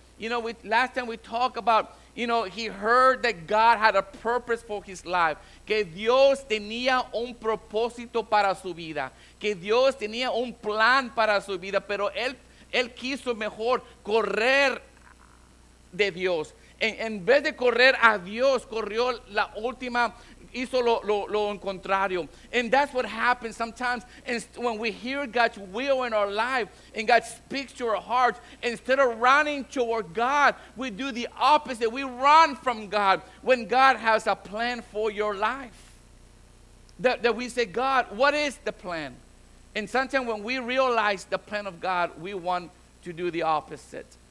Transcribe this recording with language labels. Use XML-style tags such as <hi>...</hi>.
<en>You know, last time we talked about, you know, he heard that God had a purpose for his life.</en> <es>Que Dios tenía un propósito para su vida. Que Dios tenía un plan para su vida. Pero él quiso mejor correr de Dios. En vez de correr a Dios, corrió la última, hizo lo contrario.</es> <en>And that's what happens sometimes when we hear God's will in our life and God speaks to our hearts. Instead of running toward God, we do the opposite. We run from God when God has a plan for your life. That we say, God, what is the plan? And sometimes when we realize the plan of God, we want to do the opposite.</en>